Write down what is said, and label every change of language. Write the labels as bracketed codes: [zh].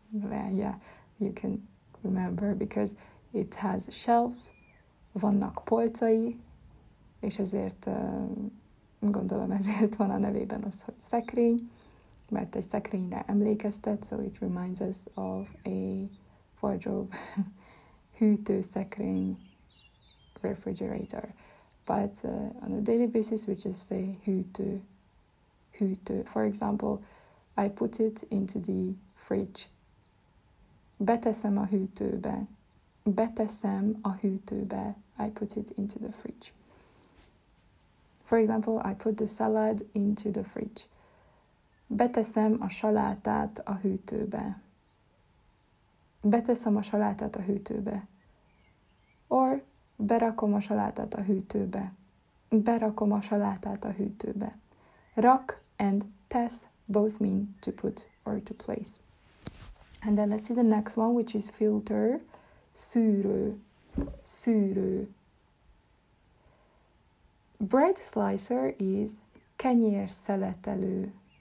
[en] Yeah, you can remember because it has shelves, [hu] vannak polcai, és ezért gondolom ezért van a nevében az, hogy szekrény, mert egy szekrényre emlékeztet, [en] so it reminds us of a wardrobe, [hu] hűtőszekrény, refrigerator. [en] But on a daily basis, we just say hűtő, hűtő. For example, I put it into the fridge. [hu] Beteszem a hűtőbe. Beteszem a hűtőbe. [en] I put it into the fridge. For example, I put the salad into the fridge. [hu] Beteszem a salátát a hűtőbe. Beteszem a salátát a hűtőbe. Or, berakom a salátát a hűtőbe. Berakom a salátát a hűtőbe. [en] Rak and tesz both mean to put or to place. And then let's see the next one, which is filter. [hu] Szűrő. Szűrő. [en] Bread slicer is kenyér szeletelő.